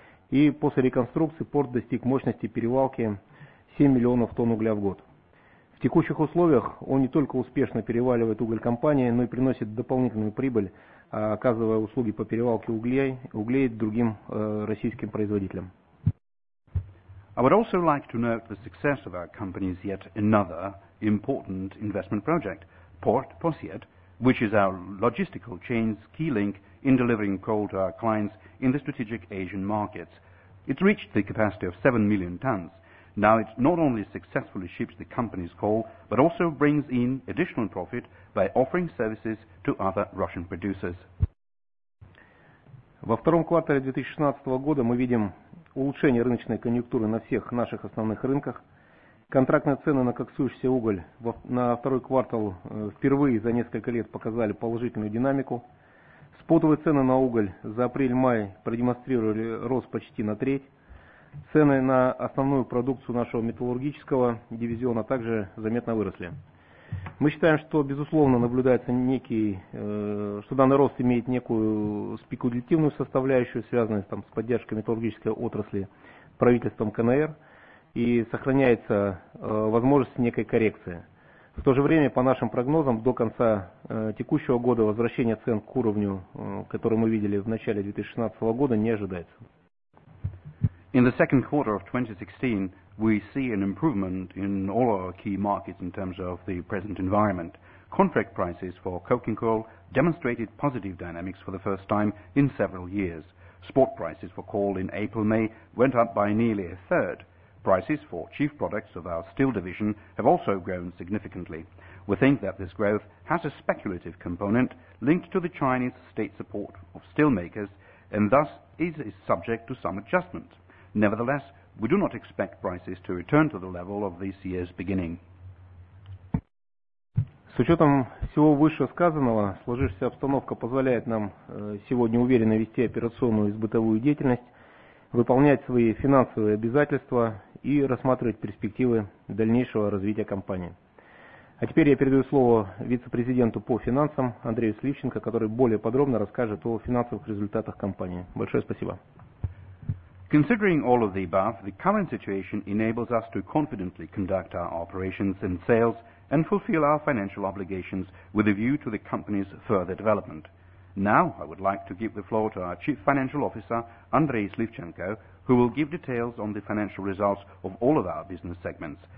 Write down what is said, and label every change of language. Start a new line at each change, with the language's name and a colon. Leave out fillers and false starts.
Russian: И после реконструкции порт достиг мощности перевалки 7 миллионов тонн угля в год. В текущих условиях он не только успешно переваливает уголь компании, но и приносит дополнительную прибыль, оказывая услуги по перевалке углей другим российским производителям.
English: I would also like to note the success of our company's yet another important investment project, Port Pasiet, which is our logistical chain's key link in delivering coal to our clients in the strategic Asian markets. It reached the capacity of 7 million tons. Now it not only successfully ships the company's coal, but also brings in additional profit by offering services to other Russian producers.
Russian: Во втором квартале 2016 года мы видим улучшение рыночной конъюнктуры на всех наших основных рынках. Контрактные цены на коксующийся уголь на второй квартал впервые за несколько лет показали положительную динамику. Спотовые цены на уголь за апрель-май продемонстрировали рост почти на треть. Цены на основную продукцию нашего металлургического дивизиона также заметно выросли. Мы считаем, что, безусловно, наблюдается что данный рост имеет некую спекулятивную составляющую, связанную с поддержкой металлургической отрасли правительством КНР, и сохраняется возможность некой коррекции. В то же время, по нашим прогнозам, до конца текущего года возвращение цен к уровню, который мы видели в начале 2016 года, не ожидается.
English: In the second quarter of 2016, we see an improvement in all our key markets in terms of the present environment. Contract prices for coking coal demonstrated positive dynamics for the first time in several years. Spot prices for coal in April-May went up by nearly a third. Prices for chief products of our steel division have also grown significantly. We think that this growth has a speculative component linked to the Chinese state support of steelmakers and thus is subject to some adjustment. Nevertheless, we do not expect prices to return to the level of this year's beginning.
Russian: С учетом всего вышесказанного, сложившаяся обстановка позволяет нам сегодня уверенно вести операционную и сбытовую деятельность, выполнять свои финансовые обязательства и рассматривать перспективы дальнейшего развития компании. А теперь я передаю слово вице-президенту по финансам Андрею Сливченко, который более подробно расскажет о финансовых результатах компании. Большое спасибо.
English: Considering all of the above, the current situation enables us to confidently conduct our operations and sales and fulfill our financial obligations with a view to the company's further development. Now, I would like to give the floor to our Chief Financial Officer, Andrei Slivchenko, who will give details on the financial results of all of our business segments.